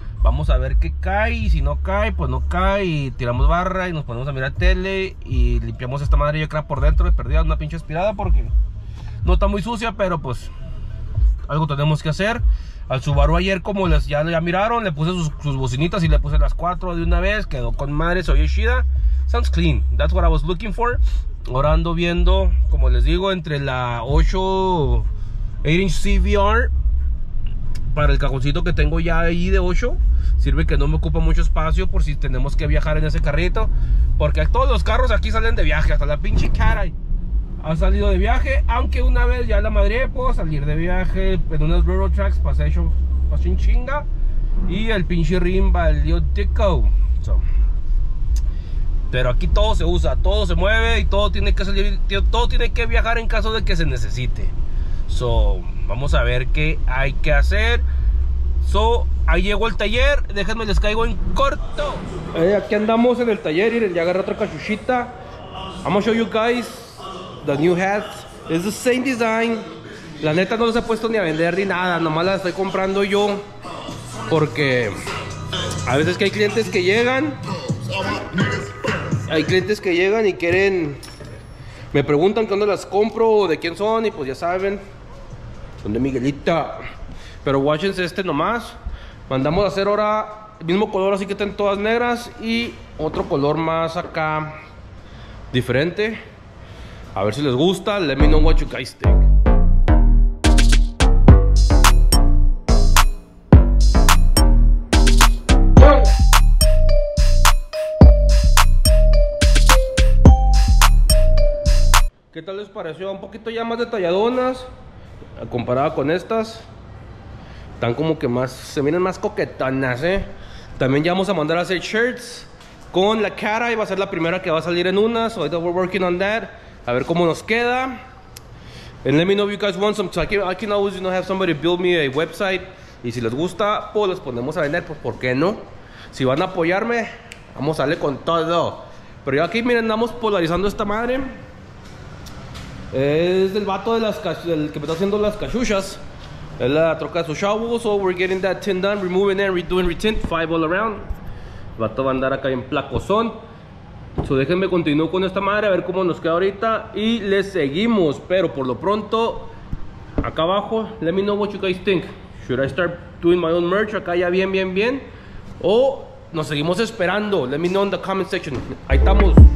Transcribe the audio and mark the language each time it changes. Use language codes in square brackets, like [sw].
[es] Vamos a ver qué cae, y si no cae, pues no cae. Y tiramos barra y nos ponemos a mirar tele y limpiamos esta madre, yo creo, por dentro. He perdido una pinche aspirada porque no está muy sucia, pero pues algo tenemos que hacer. Al Subaru ayer, como les, ya miraron, le puse sus bocinitas y le puse las 4 de una vez. Quedó con madre, se oye chida. [en] Sounds clean, that's what I was looking for. [es] Ahora ando viendo, como les digo, entre la 8 8 inch CVR para el cajoncito que tengo ya ahí de 8, sirve que no me ocupa mucho espacio por si tenemos que viajar en ese carrito. Porque todos los carros aquí salen de viaje, hasta la pinche caray ha salido de viaje. Aunque una vez ya la madre puedo salir de viaje en unas [en] railroad tracks, [es] pasé eso, pasé en chinga. Y el pinche rim valió tico. Pero aquí todo se usa, todo se mueve y todo tiene que salir, todo tiene que viajar en caso de que se necesite. So, vamos a ver qué hay que hacer. So, ahí llegó el taller, déjenme les caigo en corto. Aquí andamos en el taller, ya agarré otra cachuchita. [en] I'm gonna show you guys the new hats. It's the same design. [es] La neta no los he puesto ni a vender ni nada, nomás las estoy comprando yo. Porque a veces que hay clientes que llegan. Hay clientes que llegan y quieren, me preguntan cuándo las compro o de quién son, y pues ya saben, son de Miguelita. Pero watchense este nomás. Mandamos a hacer ahora el mismo color, así que estén todas negras, y otro color más acá diferente. A ver si les gusta. [en] Let me know what you guys think. [es] ¿Qué tal les pareció? Un poquito ya más detalladonas comparada con estas. Están como que más, se miran más coquetonas, ¿eh? También ya vamos a mandar a hacer shirts con la cara, y va a ser la primera que va a salir en unas. [en] So we're working on that. [es] A ver cómo nos queda. [en] And let me know if you guys want some. So I can always, you know, have somebody build me a website. [es] Y si les gusta, pues los ponemos a vender, pues ¿por qué no? Si van a apoyarme, vamos a darle con todo. Pero yo aquí, miren, andamos polarizando esta madre. Es del vato de las, el que me está haciendo las cachuchas. Es la troca de su chavo. [en] So we're getting that tin done, removing and redoing retint, five all around. [es] El vato va a andar acá en placozón. So déjenme continuar con esta madre, a ver cómo nos queda ahorita, y le seguimos. Pero por lo pronto, acá abajo, [en] let me know what you guys think. Should I start doing my own merch [es] acá ya bien? O nos seguimos esperando. [en] Let me know in the comment section. [es] Ahí estamos.